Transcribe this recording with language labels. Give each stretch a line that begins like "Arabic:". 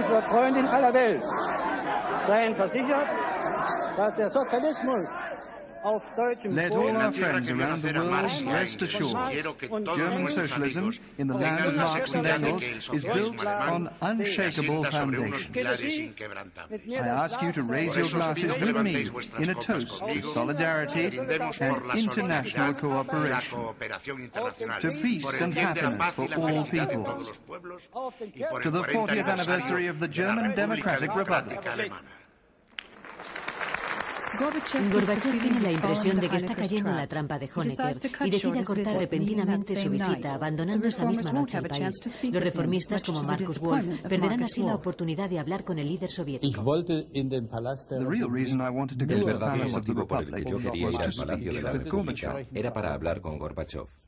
German: Freundin aller Welt, seien versichert, dass der Sozialismus auf deutschem Boden.
English: Let all our friends around the world rest assured. German socialism in the land of Marx and Engels is built on unshakable foundations. I ask you to raise your glasses with me in a toast to solidarity and international cooperation, to peace and happiness for all peoples, to the 40th anniversary of the German Democratic Republic.
Spanish: Gorbachev tiene la impresión de que está cayendo en la trampa de Honecker y decide acortar repentinamente su visita, abandonando esa misma noche al país. Los reformistas, como Marcus Wolf, perderán así la oportunidad de hablar con el líder soviético. El verdadero motivo por el que yo quería ir al Palacio de la República era para hablar con Gorbachev.